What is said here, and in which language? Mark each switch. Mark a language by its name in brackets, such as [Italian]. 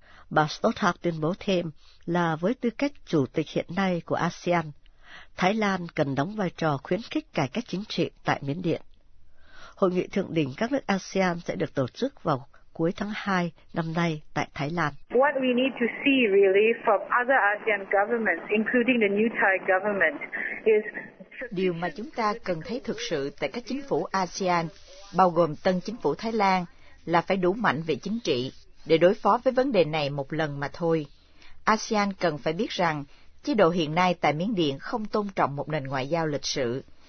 [Vietnamese] Bà Stothart tuyên bố thêm là với tư cách chủ tịch hiện nay của ASEAN, Thái Lan cần đóng vai trò khuyến khích cải cách chính trị tại Miến Điện. Hội nghị thượng đỉnh các nước ASEAN sẽ được tổ chức vào cuối tháng 2 năm nay tại Thái Lan. [English] What we need to see really from other ASEAN governments, including the new Thai government, is [Vietnamese] điều mà chúng ta cần thấy thực sự tại các chính phủ ASEAN, bao gồm tân chính phủ Thái Lan, là phải đủ mạnh về chính trị để đối phó với vấn đề này một lần mà thôi. ASEAN cần phải biết rằng chế độ hiện nay tại Miến Điện không tôn trọng một nền ngoại giao lịch sử.